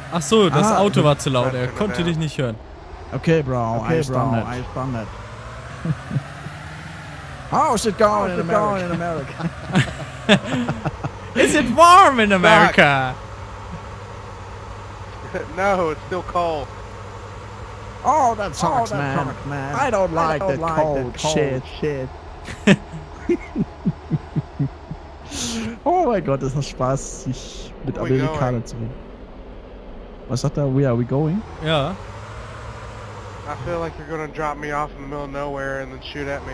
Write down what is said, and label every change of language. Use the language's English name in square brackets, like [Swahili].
[German] Ach so, das Auto war zu laut, er konnte dich nicht hören. [English] Okay, bro, I stand it. How's it going in America? Going in America? Is it warm in America? No, it's still cold. Oh, that sucks, man. I don't like that cold shit. [German] Oh mein Gott, das macht Spaß, sich mit Amerikanern zu reden. Was sagt er? [English] Where are we going? [German] Ja. [English] I feel like you're gonna drop me off in the middle of nowhere and then shoot at me.